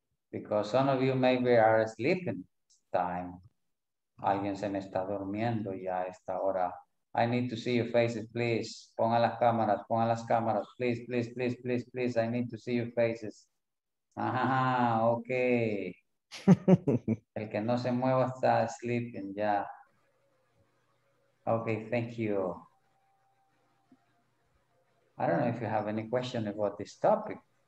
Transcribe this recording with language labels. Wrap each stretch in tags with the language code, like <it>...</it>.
<en>Because some of you maybe are sleeping time.</en> <es>Alguien se me está durmiendo ya a esta hora.</es> <en>I need to see your faces, please.</en> <es>Pongan las cámaras.</es> <en>Please. I need to see your faces. Ajá, okay.</en> <es>El que no se mueva está sleeping ya.</es> <en>Okay, thank you. I don't know if you have any question about this topic.</en>